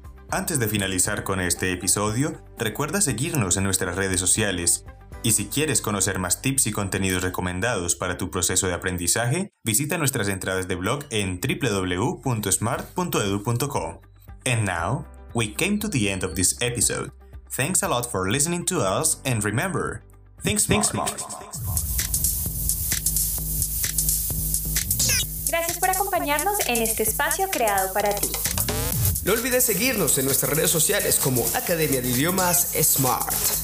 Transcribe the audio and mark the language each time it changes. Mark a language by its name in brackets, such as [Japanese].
[Spanish] Antes de finalizar con este episodio, recuerda seguirnos en nuestras redes sociales. Y si quieres conocer más tips y contenidos recomendados para tu proceso de aprendizaje, visita nuestras entradas de blog en www.smart.edu.co. [English] And now, we came to the end of this episode. Thanks a lot for listening to us, and remember, think smart. [Spanish] Gracias por acompañarnos en este espacio creado para ti. No olvides seguirnos en nuestras redes sociales como Academia de Idiomas Smart.